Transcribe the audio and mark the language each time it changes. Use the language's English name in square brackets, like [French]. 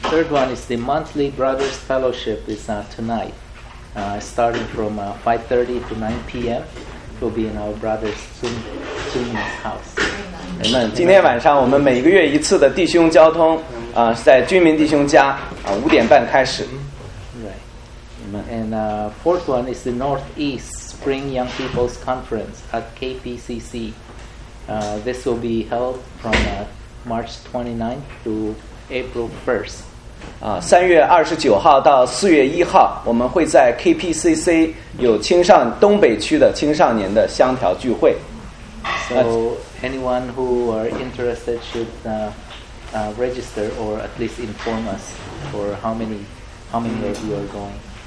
[English] one is the monthly brothers fellowship is tonight, starting from 5:30 to 9 p.m. will be in our brother's Jimmy's house. [Chinese] 人们，今天晚上我们每个月一次的弟兄交通，是在军民弟兄家，5:30开始。 [English] And fourth one is the Northeast Spring Young People's Conference at KPCC. This will be held from March 29th to April 1st. [Chinese] 3月29号到4月1号，我们会在 KPCC 有青少年东北区的青少年的乡调聚会。 [English] So anyone who are interested should register or at least inform us for how many of you are going.